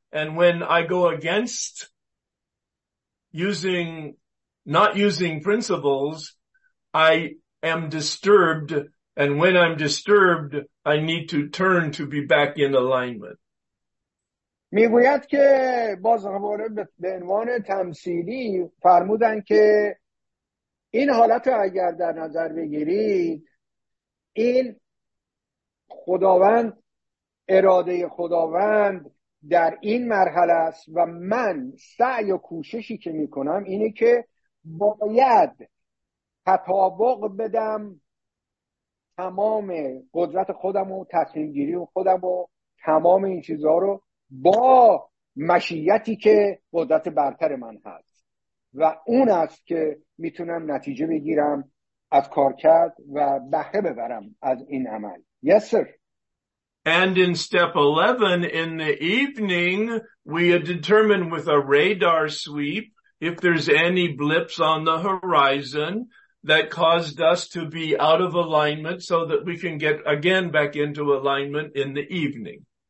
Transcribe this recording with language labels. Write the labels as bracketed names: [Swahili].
[English] And when I go against not using principles, I am disturbed. And when I'm disturbed, I need to turn to be back in alignment. [Persian] میگوید که باز همواره به عنوان تمثیلی فرمودن که این حالت رو اگر در نظر بگیرید، این خداوند، اراده خداوند در این مرحله است و من سعی و کوششی که می کنم اینه که باید تطابق بدم تمام قدرت خودم و تصمیم گیری خودم و تمام این چیزها رو با مشیتی که قدرت برتر من هست و اون است که می تونم نتیجه بگیرم از کار کرد و بهره ببرم از این عمل. [English] Yes, sir. And in step 11 in the evening, we determine with a radar sweep if there's any blips on the horizon that caused us to be out of alignment so that we can get again back into alignment in the evening.